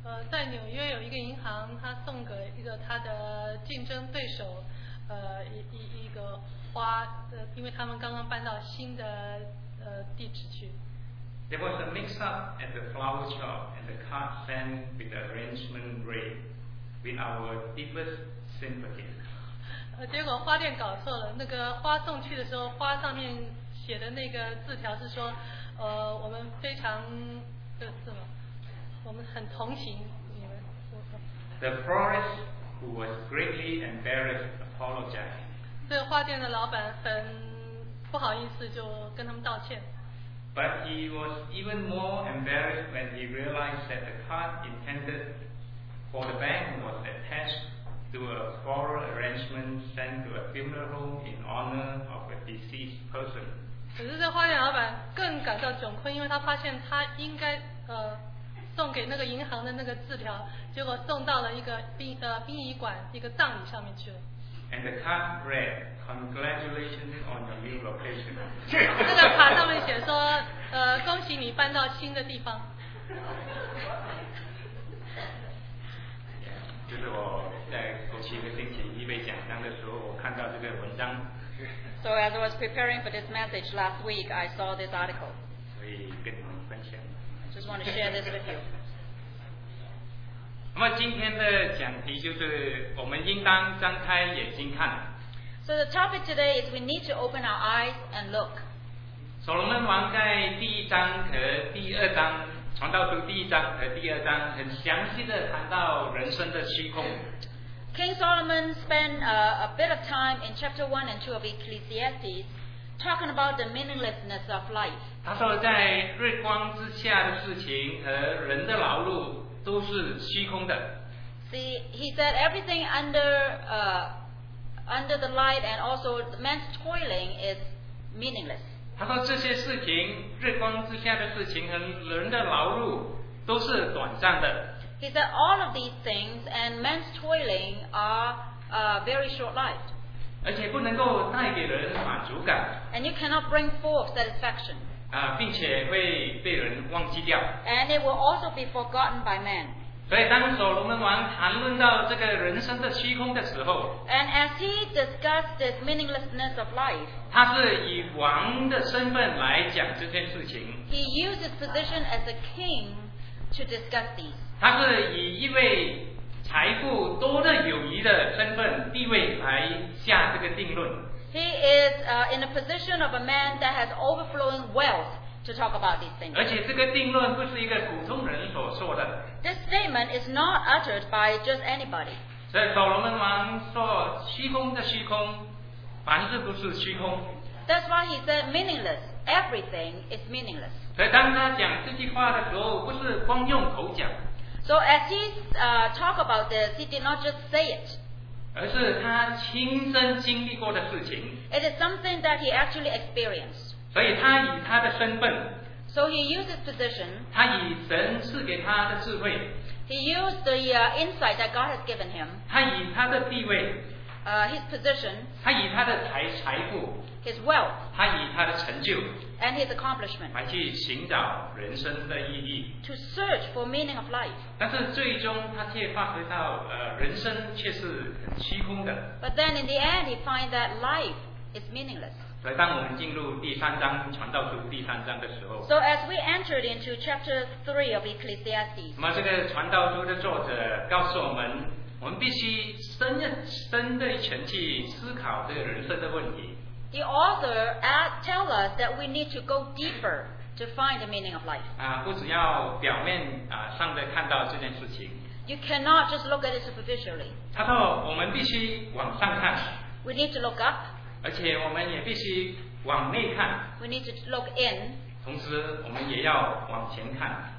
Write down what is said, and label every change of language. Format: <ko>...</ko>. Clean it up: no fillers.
<zh>在纽约有一个银行，他送给一个他的竞争对手，一个花，因为他们刚刚搬到新的地址去。</zh> <en>There was a mix-up at the flower shop, and the card sent with the arrangement read, "With our deepest sympathy."</en> <zh>结果花店搞错了，那个花送去的时候，花上面写的那个字条是说，我们非常的什么。</zh> <en>The florist, who was greatly embarrassed, apologized.</en> <zh>这个花店的老板很不好意思，就跟他们道歉。</zh> <en>But he was even more embarrassed when he realized that the card intended for the bank was attached to a floral arrangement sent to a funeral home in honor of a deceased person.</en> <zh>可是这花店老板更感到窘困，因为他发现他应该送给那个银行的那个字条，结果送到了一个殡仪馆一个葬礼上面去了。</zh> <en>And the card read, "Congratulations on your new location."</en> <zh>那个卡上面写说，恭喜你搬到新的地方。 Yeah, 就是我在过去一个星期预备讲章的时候，我看到这个文章。</zh> <en>So as I was preparing for this message last week, I saw this article.</en> <zh>所以跟你们分享。</zh> <en>Just want to share this with you. So the topic today is we need to open our eyes and look.</en> <zh>Solomon 王在第一章和第二章，传道书第一章和第二章，很详细的谈到人生的虚空。</zh> <en>King Solomon spent a bit of time in chapter 1 and 2 of Ecclesiastes talking about the meaninglessness of life.</en> <zh>他说在日光之下的事情和人的劳碌都是虚空的。</zh> <en>See, he said everything under the light and also man's toiling is meaningless.</en> <zh>他说这些事情，日光之下的事情和人的劳碌都是短暂的。</zh> <en>He said all of these things and man's toiling are very short-lived.</en> <zh>而且不能够带给人满足感。</zh> <en>And you cannot bring forth satisfaction.</en> <zh>并且会被人忘记掉。</zh> <en>And it will also be forgotten by man.</en> <zh>所以当所罗门王谈论到这个人生的虚空的时候，</zh> <en>And as he discussed this meaninglessness of life,</en> <zh>他是以王的身份来讲这件事情。</zh> <en>He used his position as a king to discuss these.</en> <zh>他是以一位财富多的有余的身份地位来下这个定论。</zh> <en>He is in a position of a man that has overflowing wealth to talk about these things.</en> <zh>而且这个定论不是一个普通人所说的。</zh> <en>This statement is not uttered by just anybody.</en> <zh>所以所罗门王说虚空的虚空，凡事都是虚空。</zh> <en>That's why he said meaningless. Everything is meaningless.</en> <zh>所以当他讲这句话的时候，不是光用口讲。</zh> <en>So as he talked about this, he did not just say it.</en> <zh>而是他亲身经历过的事情。</zh> <en>It is something that he actually experienced.</en> <zh>所以他以他的身份。</zh> <en>So he used his position.</en> <zh>他以神赐给他的智慧。</zh> <en>He used the insight that God has given him.</en> <zh>他以他的地位。</zh> <en>His position.</en> <zh>他以他的财富。</zh> <en>His wealth.</en> <zh>他以他的成就。</zh> <en>And his accomplishment.</en> <zh>来去寻找人生的意义。</zh> <en>To search for meaning of life.</en> <zh>但是最终他却发觉到人生却是虚空的。</zh> <en>But then in the end he finds that life is meaningless.</en> <zh>所以当我们进入第三章，传道书第三章的时候。</zh> <en>So as we entered into chapter 3 of Ecclesiastes.</en> <zh>那么这个传道书的作者告诉我们，我们必须深入前去思考这个人生的问题。</zh> <en>The author tells us that we need to go deeper to find the meaning of life.</en> <zh>不只要表面上的看到这件事情。</zh> <en>You cannot just look at it superficially.</en> <zh>他说我们必须往上看。</zh> <en>We need to look up.</en> <zh>而且我们也必须往内看。</zh> <en>We need to look in.</en> <zh>同时我们也要往前看。</zh>